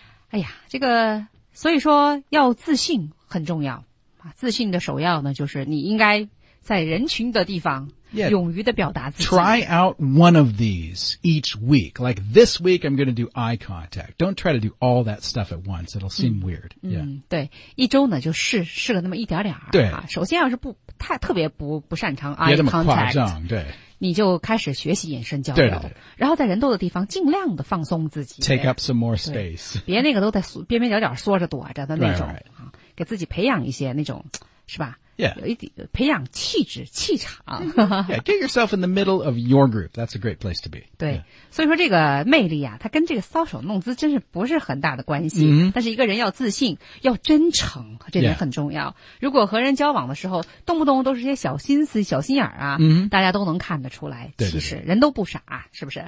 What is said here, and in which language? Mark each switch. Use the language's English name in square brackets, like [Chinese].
[Chinese] 哎呀，这个，所以说要自信很重要。自信的首要呢，就是你应该在人群的地方勇于地表达自己。 [English] Try out one of these each week. Like this week, I'm going to do eye contact. Don't try to do all that stuff at once. It'll seem weird. Yeah. [Chinese] 对，一周呢就试个那么一点点。对，首先要是不太特别不擅长 eye contact，别那么夸张。对，你就开始学习眼神交流。对对对。然后在人多的地方尽量的放松自己。 [English] Take up some more space. [Chinese] 别那个都在边边角角缩着躲着的那种。 [English] Right, right. [Chinese] 给自己培养一些那种，是吧？ [English] Yeah. [Chinese] 培养气质气场。 [English] Yeah, get yourself in the middle of your group. That's a great place to be. 对。Yeah. [Chinese] 所以说这个魅力啊，它跟这个搔首弄姿真是不是很大的关系。 Mm-hmm. 但是一个人要自信要真诚，这点很重要。 [English] Yeah. [Chinese] 如果和人交往的时候动不动都是些小心思小心眼啊、 mm-hmm. 大家都能看得出来，其实人都不傻、啊、是不是、